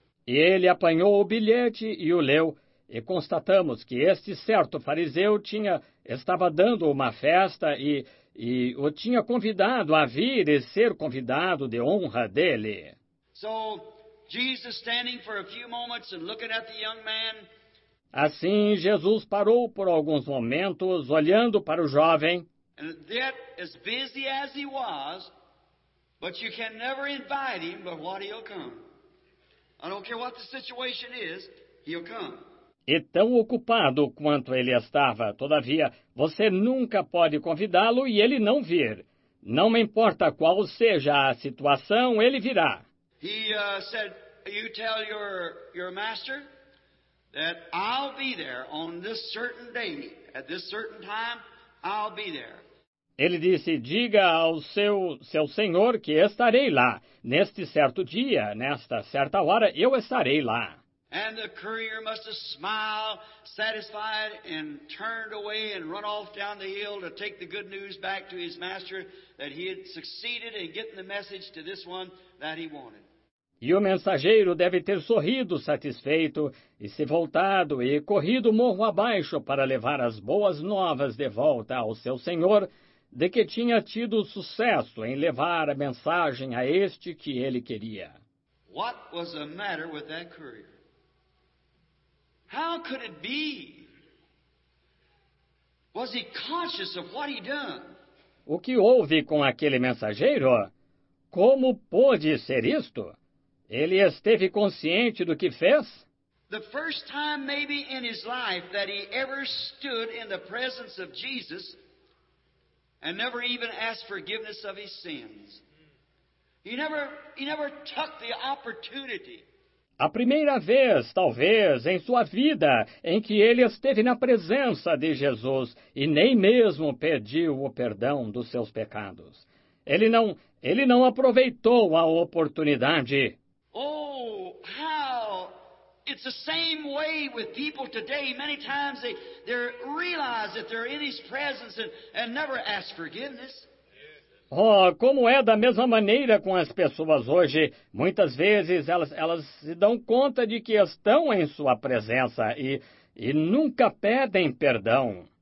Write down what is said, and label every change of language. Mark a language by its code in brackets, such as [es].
[pt] E ele apanhou o bilhete e o leu, e constatamos que este certo fariseu estava dando uma festa e o tinha convidado a vir e ser convidado de honra dele. [en] So, Jesus standing for a few moments and looking at the young man. [pt] Assim, Jesus parou por alguns momentos olhando para o jovem. [en] And yet, as busy as he was, but you can never invite him but what he'll come. I don't care what the situation is, he'll come. [pt] E tão ocupado quanto ele estava, todavia, você nunca pode convidá-lo e ele não vir. Não me importa qual seja a situação, ele virá. [en] He said, you tell your master that I'll be there on this certain day, at this certain time, I'll be there. [pt] Ele disse, diga ao seu senhor que estarei lá. Neste certo dia, nesta certa hora, eu estarei lá. [en] And the courier must have smiled, satisfied, and turned away and run off down the hill to take the good news back to his master that he had succeeded in getting the message to this one that he wanted. [pt] E o mensageiro deve ter sorrido satisfeito e se voltado e corrido morro abaixo para levar as boas novas de volta ao seu senhor, de que tinha tido sucesso em levar a mensagem a este que ele queria. [en] What was the matter with that courier? How could it be? Was he conscious of what he'd done? [pt] O que houve com aquele mensageiro? Como pôde ser isto? Ele esteve consciente do que fez? [en] The first time maybe in his life that he ever stood in the presence of Jesus and never even asked forgiveness of his sins. He never took the opportunity. [pt] A primeira vez, talvez, em sua vida, em que ele esteve na presença de Jesus e nem mesmo pediu o perdão dos seus pecados. Ele não aproveitou a oportunidade. [en] Oh, how it's the same way with people today. Many times they realize that they're in his presence and never ask forgiveness. [pt] Oh, como é da mesma maneira com as pessoas hoje. Muitas vezes elas se dão conta de que estão em sua presença e nunca pedem perdão.